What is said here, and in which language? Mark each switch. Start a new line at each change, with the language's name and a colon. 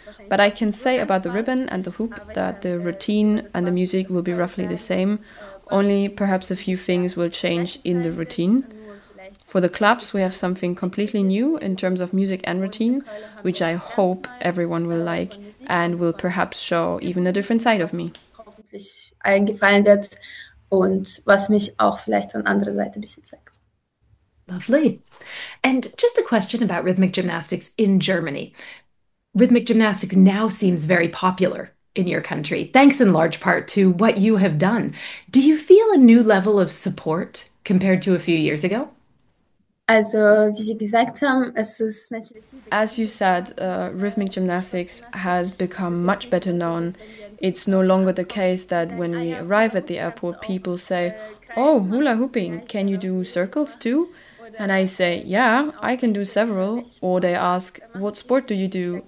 English: But I can say about the ribbon and the hoop that the routine and the music will be roughly the same, only perhaps a few things will change in the routine. For the clubs, we have something completely new in terms of music and routine, which I hope everyone will like and will perhaps show even a different side of me.
German: Und was mich auch vielleicht an anderer Seite ein bisschen zeigt.
English: Lovely. And just a question about rhythmic gymnastics in Germany. Rhythmic gymnastics now seems very popular in your country, thanks in large part to what you have done. Do you feel a new level of support compared to a few years ago?
German: Also, wie Sie gesagt haben, es ist natürlich...
English: As you said, rhythmic gymnastics has become much better known. It's no longer the case that when we arrive at the airport, people say, oh, hula hooping, can you do circles too? And I say, yeah, I can do several. Or they ask, what sport do you do?